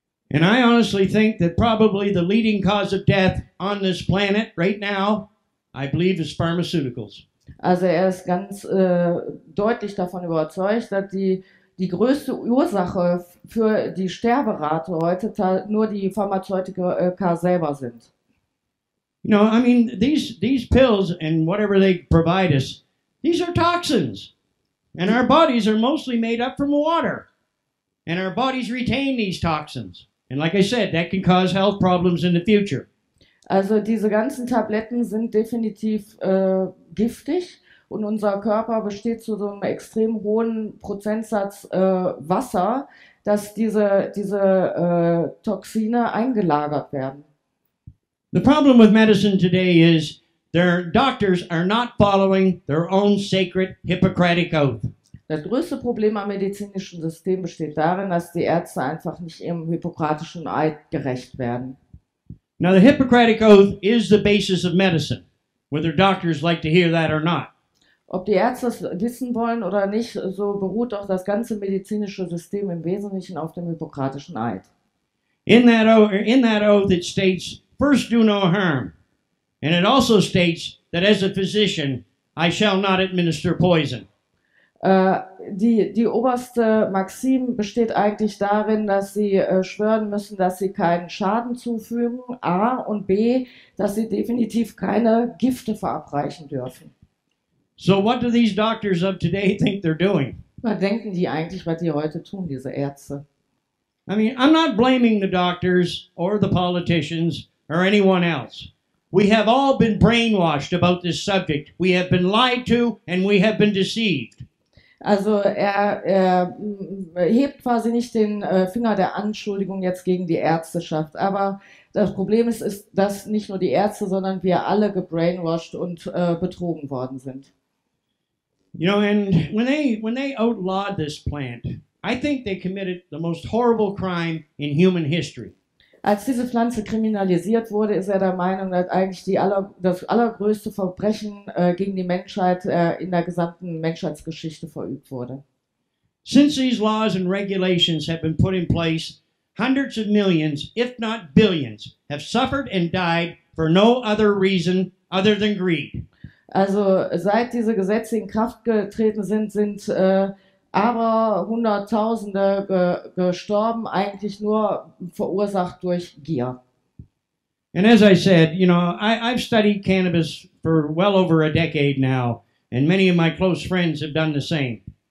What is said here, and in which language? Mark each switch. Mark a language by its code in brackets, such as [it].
[en] And I honestly think that probably the leading cause of death on this planet right now, I believe, is pharmaceuticals. [de] Also er ist ganz deutlich davon überzeugt, dass die größte Ursache für die Sterberate heute nur die Pharmazeutika selber sind. [en] You know, I mean, these pills and whatever they provide us, these are toxins. And our bodies are mostly made up from water. And our bodies retain these toxins. And like I said, that can cause health problems in the future. [de] Also diese ganzen Tabletten sind definitiv giftig und unser Körper besteht zu so einem extrem hohen Prozentsatz Wasser, dass diese Toxine eingelagert werden. [en] The problem with medicine today is their doctors are not following their own sacred Hippocratic oath. [de] Das größte Problem am medizinischen System besteht darin, dass die Ärzte einfach nicht ihrem hippokratischen Eid gerecht werden. [en] Now the Hippocratic Oath is the basis of medicine, whether doctors like to hear that or not. [de] Ob die Ärzte es wissen wollen oder nicht, so beruht doch das ganze medizinische System im Wesentlichen auf dem hippokratischen Eid. [en] In that oath it states, first do no harm. And it also states that as a physician, I shall not administer poison. [de] Die oberste Maxim besteht eigentlich darin, dass sie schwören müssen, dass sie keinen Schaden zufügen, A, und B, dass sie definitiv keine Gifte verabreichen dürfen. [en] So what do these doctors of today think they're doing? [de] Was denken die eigentlich, was die heute tun, diese Ärzte? [en] I mean, I'm not blaming the doctors or the politicians or anyone else. We have all been brainwashed about this subject. We have been lied to and we have been deceived. [de] Also er hebt quasi nicht den Finger der Anschuldigung jetzt gegen die Ärzteschaft. Aber das Problem ist, dass nicht nur die Ärzte, sondern wir alle gebrainwashed und betrogen worden sind. [en] You know, and when they outlawed this plant, I think they committed the most horrible crime in human history. [de] Als diese Pflanze kriminalisiert wurde, ist er der Meinung, dass eigentlich das allergrößte Verbrechen gegen die Menschheit in der gesamten Menschheitsgeschichte verübt wurde. [en] Since these laws and regulations have been put in place, hundreds of millions, if not billions, have suffered and died for no other reason other than greed. [de] Also seit diese Gesetze in Kraft getreten sind, aber Hunderttausende gestorben, eigentlich nur verursacht durch Gier. [en] And as I said, you know, I've studied cannabis for well over a decade now, and many of my close friends have done the same.